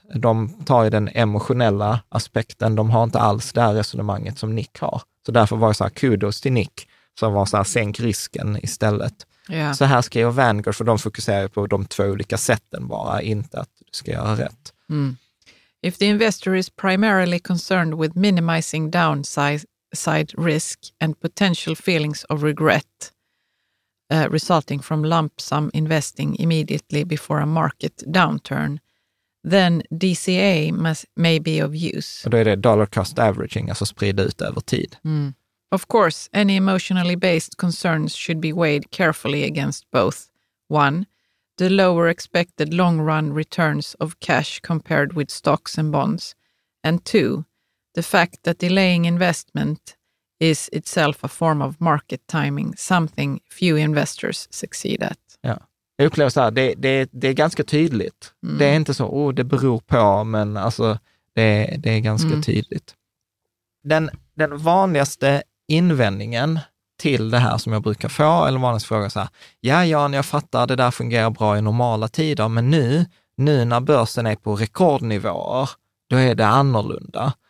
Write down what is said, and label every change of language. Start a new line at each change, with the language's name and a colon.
Swedish: De tar ju den emotionella aspekten. De har inte alls det här resonemanget som Nick har. Så därför var det så här, kudos till Nick som var så här, sänk risken istället.
English: Yeah.
Swedish: Så här skriver Vanguard, för de fokuserar på de två olika sätten bara, inte att du ska göra rätt. Mm.
English: If the investor is primarily concerned with minimizing downside risk and potential feelings of regret resulting from lump sum investing immediately before a market downturn, then DCA may be of use.
Swedish: Och då är det dollar cost averaging, alltså sprida ut över tid. Mm.
English: Of course, any emotionally based concerns should be weighed carefully against both. One, the lower expected long run returns of cash compared with stocks and bonds. And two, the fact that delaying investment is itself a form of market timing, something few investors succeed at.
Swedish: Ja. Jag upplever så här, det är ganska tydligt. Mm. Det är inte så, oh, det beror på, men alltså, det är ganska tydligt. Den vanligaste invändningen till det här som jag brukar få, eller vanligaste fråga så här, Jan, jag fattar, det där fungerar bra i normala tider, men nu när börsen är på rekordnivåer, då är det annorlunda.